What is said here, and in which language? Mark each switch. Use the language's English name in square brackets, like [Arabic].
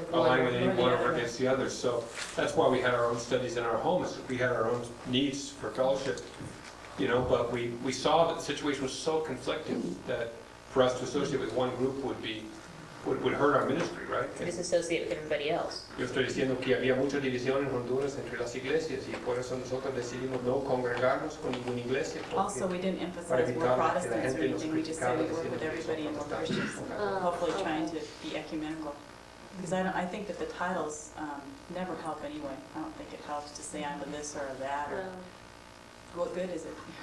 [English] with anyone or against the other. So that's why we had our own studies in our homes. We had our own needs for fellowship. You know, but we saw that the situation was so conflicting that for us to associate with one group would hurt our ministry, right? To disassociate with everybody else. [Spanish] Yo estoy diciendo que había mucha división en Honduras entre las iglesias, y por eso nosotros decidimos no congregarnos con ninguna iglesia. [English] Also, we didn't emphasize we're Protestants or anything. We just said we work with everybody and we're Christians. Hopefully trying to be ecumenical. Because I think that the titles never help anyway. I don't think it helps to say I'm a this or a that. Or what good is it?